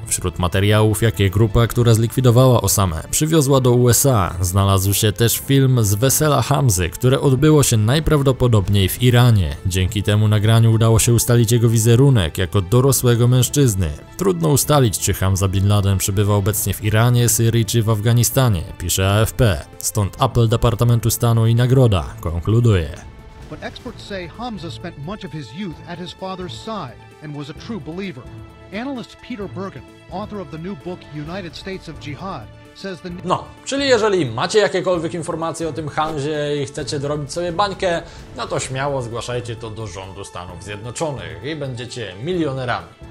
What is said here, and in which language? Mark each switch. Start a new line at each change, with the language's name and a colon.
Polish: Wśród materiałów, jakie grupa, która zlikwidowała Osamę, przywiozła do USA, znalazł się też film z Wesela Hamzy, które odbyło się najprawdopodobniej w Iranie. Dzięki temu nagraniu udało się ustalić jego wizerunek jako dorosłego mężczyzny. Trudno ustalić, czy Hamza Bin Laden przebywa obecnie w Iranie, Syrii czy w Afganistanie, pisze AFP. Stąd apel Departamentu Stanu i nagroda, konkluduje.
English: But experts say Hamza spent much of his youth at his father's side and was a true believer. Analyst Peter Bergen, author of the new book United States of Jihad,
Polish: no, czyli jeżeli macie jakiekolwiek informacje o tym Hamzie i chcecie dorobić sobie bańkę, no to śmiało zgłaszajcie to do rządu Stanów Zjednoczonych i będziecie milionerami.